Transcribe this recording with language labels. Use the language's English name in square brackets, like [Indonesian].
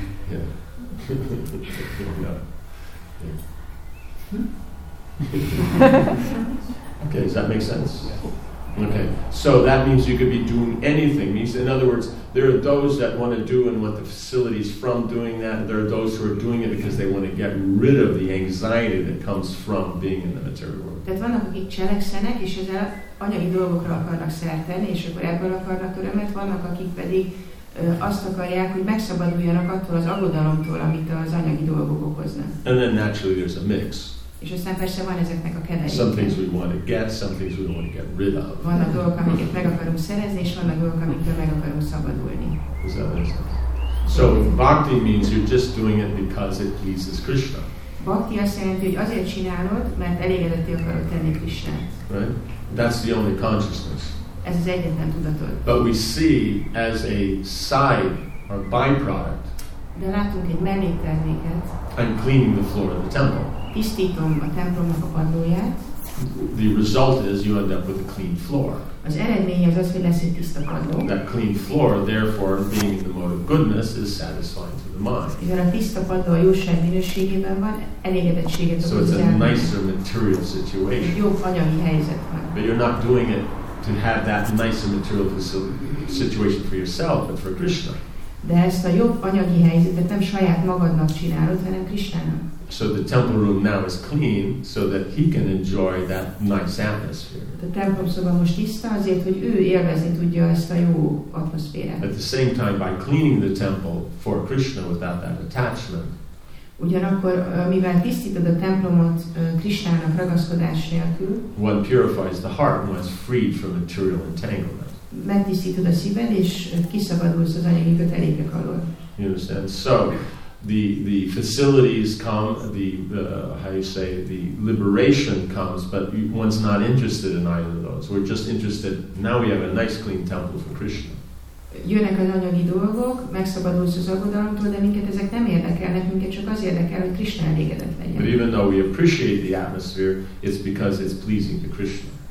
[English] Yeah. Okay, does that make sense? Okay, so that means you could be doing anything. Means, in other words, there are those that want to do and want the facilities from doing that. There are those who are doing it because they want to get rid of the anxiety that comes from being in the material world. [Hungarian] Tehát vannak, akik cselekszenek, és ezzel anyagi dolgokra akarnak szertenni, és akkor ebből akarnak örömet, vannak, akik pedig azt akarják, hogy megszabaduljanak attól az aggodalomtól, amit az anyagi dolgok okoznak. [English] And then naturally there's a mix. [Hungarian] És aztán persze van ezeknek a keverék. [English] Some things we want to get, some things we don't want to get rid of. [Hungarian] Vannak dolgok, amiket meg akarunk szerezni, és vannak dolgok, amiktől meg akarunk szabadulni. [English] Is that what it says? So bhakti means you're just doing it because it pleases Krishna. [Hungarian] Bhakti azt jelenti, hogy azért csinálod, mert elégedetté akarod tenni Krishnát. [English] Right? That's the only consciousness. [Hungarian] Ez az egyetlen tudatod. [English] But we see as a side or byproduct. [Hungarian] De látunk egy mellékterméket. [English] I'm cleaning the floor of the temple. [Hungarian] Tisztítom a templomnak a padlóját. [English] The result is you end up with a clean floor. [Hungarian] Az eredmény az az, hogy lesz egy tiszta padló. [English] That clean floor, therefore, being the mode of goodness, is satisfying to the mind. [Hungarian] Mivel a tiszta padló a jóság minőségében van, elégedettséget okoz. [English] So it's a nicer material situation. [Hungarian] Egy jobb anyagi helyzet van. [English] But you're not doing it to have that nicer material situation for yourself, but for Krishna. [Hungarian] De ezt a jobb anyagi helyzetet nem saját magadnak csinálod, hanem Krishnának. [English] So the temple room now is clean, so that he can enjoy that nice atmosphere. [Hungarian] A templomszoba most tiszta, azért, hogy ő élvezni tudja ezt a jó atmoszférát. [English] At the same time, by cleaning the temple for Krishna without that attachment. [Hungarian] Ugyanakkor, mivel tisztítod a templomot Krishnának ragaszkodás nélkül. [English] One purifies the heart and one's freed from material entanglement. [Hungarian] Megtisztítod a szíved és kiszabadulsz az anyagi kötelékek alól. [English] You understand? So the facilities come, the liberation comes, but one's not interested in either of those. We're just interested, now we have a nice clean temple for Krishna. [Hungarian] Jönnek az anyagi dolgok, megszabadulsz az aggodalomtól, de minket ezek nem érdekelnek, minket csak az érdekel, hogy Krishna elégedett legyen. [English] But even though we appreciate the atmosphere, it's because it's pleasing to Krishna.